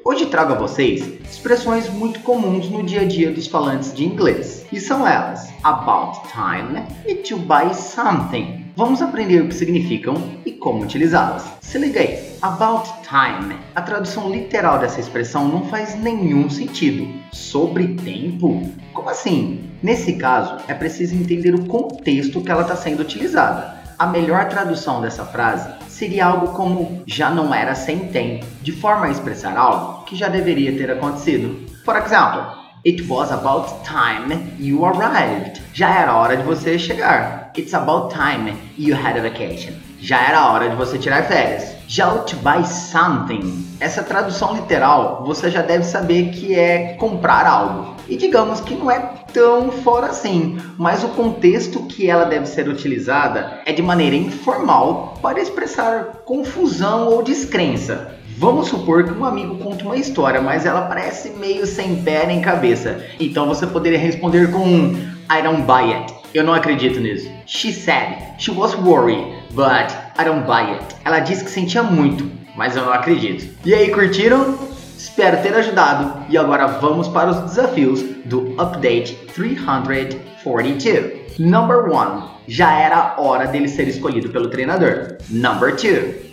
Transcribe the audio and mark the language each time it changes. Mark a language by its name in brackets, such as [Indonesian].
[Portuguese] Hoje trago a vocês expressões muito comuns no dia a dia dos falantes de inglês. E são elas, about time e to buy something. Vamos aprender o que significam e como utilizá-las. Se liga aí, about time. A tradução literal dessa expressão não faz nenhum sentido. Sobre tempo? Como assim? Nesse caso, é preciso entender o contexto que ela está sendo utilizada. A melhor tradução dessa frase seria algo como já não era sem tempo, de forma a expressar algo que já deveria ter acontecido. [English] For example, it was about time you arrived. [Portuguese] Já era hora de você chegar. [English] It's about time you had a vacation. [Portuguese] Já era hora de você tirar férias. Já o to buy something. Essa tradução literal, você já deve saber que é comprar algo. E digamos que não é tão fora assim, mas o contexto que ela deve ser utilizada é de maneira informal para expressar confusão ou descrença. Vamos supor que um amigo conta uma história, mas ela parece meio sem pé nem cabeça. Então você poderia responder com um [English] I don't buy it. [Portuguese] Eu não acredito nisso. [English] She said she was worried, but I don't buy it. [Portuguese] Ela disse que sentia muito, mas eu não acredito. E aí, curtiram? Espero ter ajudado. E agora vamos para os desafios do Update 342. [English] Number 1. [Portuguese] Já era hora dele ser escolhido pelo treinador. [English] Number 2.